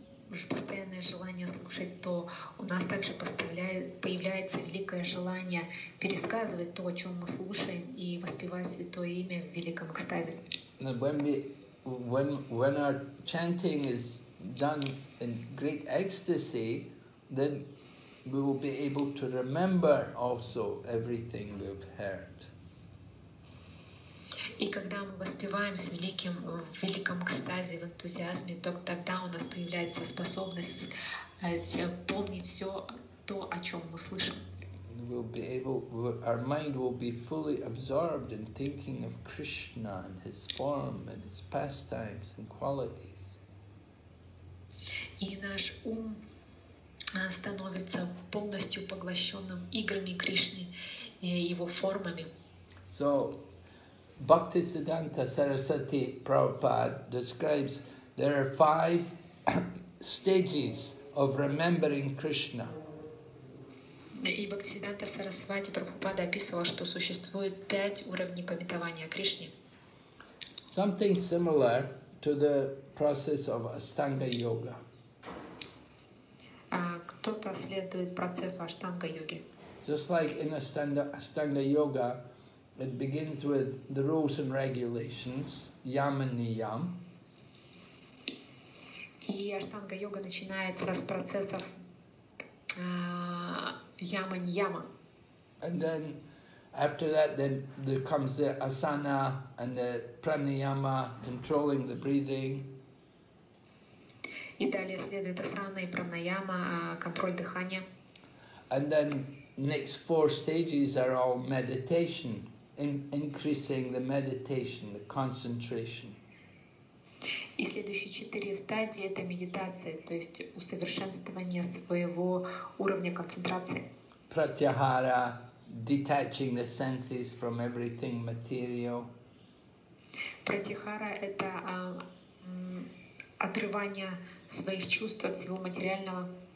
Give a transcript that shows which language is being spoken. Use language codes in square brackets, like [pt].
[ru] уже постоянное желание слушать, то у нас также появляется великое желание пересказывать то, о чем мы слушаем, и воспевать Святое Имя в великом экстазе. [en] When our chanting is done in great ecstasy, then we will be able to remember also everything we've heard. [ru] И когда мы воспеваем с великим, в великом экстазе, в энтузиазме, то тогда у нас появляется способность помнить все то, о чем мы слышим. [en] Our mind will be fully absorbed in thinking of Krishna and his form and his pastimes and qualities. [ru] И наш ум становится полностью поглощенным играми Кришны и его формами. [en] So, Bhaktisiddhanta Sarasvati Prabhupada describes there are five stages of remembering Krishna. [ru] И Бхактисиддханта Сарасвати Прабхупада описывал, что существует пять уровней памятования о Кришне. [en] Something similar to the process of Ashtanga Yoga. [ru] Кто-то следует процессу Ashtanga Yoga. [en] Just like in Ashtanga Yoga, it begins with the rules and regulations, yam and niyam. [ru] И Ashtanga Yoga начинается с процессов Yama and Yama. [en] And then after that, then there comes the asana and the pranayama, controlling the breathing. [ru] И далее следует асана и пранаяма, контроль дыхания. [en] And then next four stages are all meditation, increasing the meditation, the concentration. [ru] И следующие четыре стадии — это медитация, то есть усовершенствование своего уровня концентрации. [en] Pratyahara, detaching the senses from everything material. [ru] Pratyahara — это отрывание своих чувств от всего материального.